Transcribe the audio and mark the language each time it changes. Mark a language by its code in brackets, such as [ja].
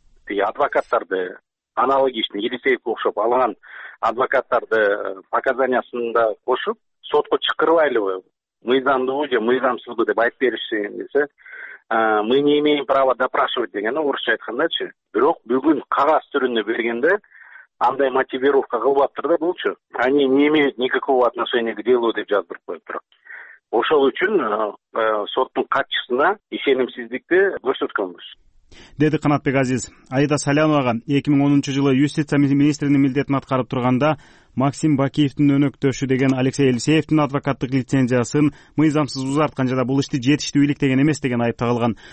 [ky] Адвокаттарды аналог иштин Елисеевке окшоп алган адвокаттарды показаниясында кошуп сотко чакырбайлыбы, мыйзамдуубу же мыйзамсызбы деп айтып беришсин десе, [ru] мы не имеем права допрашивать [ky] деген орусча айткандачы. Бирок бүгүн кагаз түрүндө бергенде андай мотивировка кылбаптыр да булчу. [ru] Они не имеют никакого отношения к делу [ky] деп жаздырып коюптур. Ошол үчүн соттун катчысына ишенимсиздикти көрсөткөнбүз, деди Канатбек Азиз. Айда Салянова 2010-жылы юстиция министринин милдетин аткарып турганда Максим Бакиевдин өнөктөшү деген Алексей Елисеевдин адвокаттык лицензиясын мыйзамсыз узарткан жана бул ишти жетиштүүлүк деген эмес деген айып тагылган.